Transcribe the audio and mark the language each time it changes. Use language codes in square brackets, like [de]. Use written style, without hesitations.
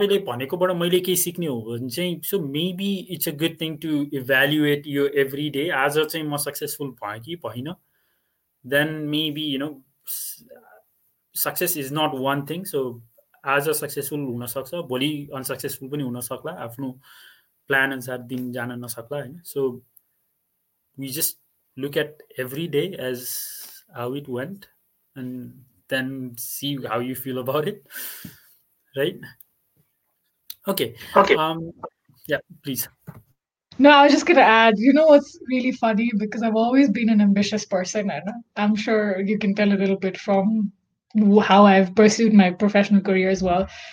[en] So maybe it's a good thing to evaluate your every day. As I say, more successful, then maybe, you know, success is not one thing. [ne] So आज successful हुनसक्छ भोलि unsuccessful पनि हुनसक्ला आफ्नो plan अनुसार दिन जान नसक्ला होइन. So [en] we just look at every day as how it went and then see how you feel about it, right? Okay. Yeah, please. No, I was just going to add, you know what's really funny? Because I've always been an ambitious person, and I'm sure you can tell a little bit from how I've pursued my professional career as well.